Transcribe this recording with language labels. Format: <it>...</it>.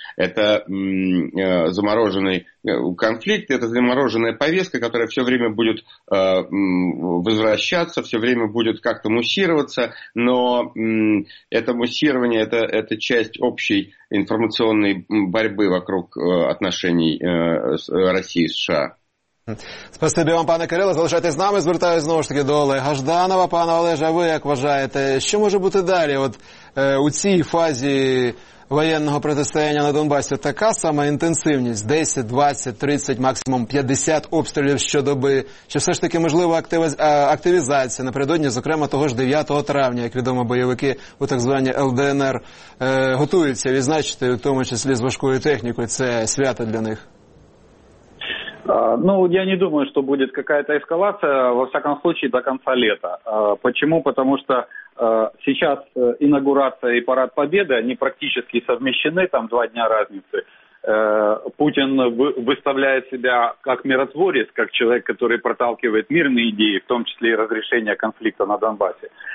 <ru>Это замороженный конфликт, это замороженная повестка, которая все время будет возвращаться, все время будет как-то муссироваться, но это муссирование, это часть общей информационной борьбы вокруг отношений России и США.</ru> <uk>Спасибі вам, пане Кирило. Залишайтесь з нами. Звертаюсь знову ж таки до Олега Жданова. Пане Олеже, а ви як вважаєте, що може бути далі? От у цій фазі воєнного протистояння на Донбасі така сама інтенсивність? 10, 20, 30, максимум 50 обстрілів щодоби? Чи все ж таки можлива активізація напередодні, зокрема того ж 9 травня, як відомо, бойовики у так званій ЛДНР готуються відзначити, в тому числі з важкою технікою, це свято для них?</uk> <ru>Ну, я не думаю, что будет какая-то эскалация, во всяком случае, до конца лета. Почему? Потому что сейчас инаугурация и парад Победы, они практически совмещены, там два дня разницы. Путин выставляет себя как миротворец, как человек, который проталкивает мирные идеи, в том числе и разрешение конфликта на Донбассе.</ru>